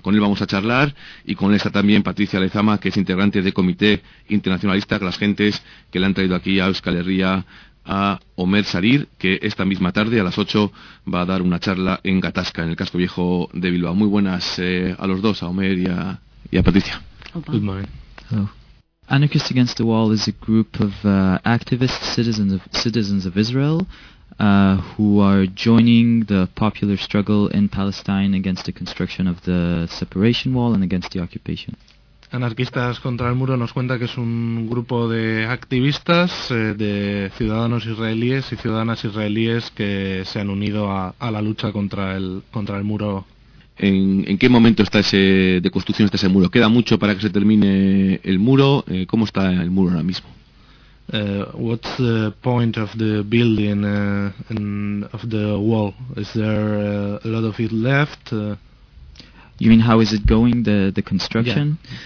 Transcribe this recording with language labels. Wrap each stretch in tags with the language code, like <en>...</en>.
<es>Con él vamos a charlar, y con él está también Patricia Lezama, que es integrante del Comité Internacionalista de las Gentes, que le han traído aquí a Euskal Herria a Omer Sarir, que esta misma tarde a las 8 va a dar una charla en Gatazka, en el casco viejo de Bilbao. Muy buenas a los dos, a Omer y a Patricia.</es> <en>Good morning. Hello. Anarchists Against the Wall is a group of activist citizens of Israel who are joining the popular struggle in Palestine against the construction of the separation wall and against the occupation.</en> <es>Anarquistas contra el Muro nos cuenta que es un grupo de activistas, de ciudadanos israelíes y ciudadanas israelíes que se han unido a la lucha contra el muro. ¿En qué momento está ese muro? ¿Queda mucho para que se termine el muro? ¿Cómo está el muro ahora mismo?</es> <en>What's the point of the building of the wall? Is there a lot of it left? You mean how is it going, the construction?</en>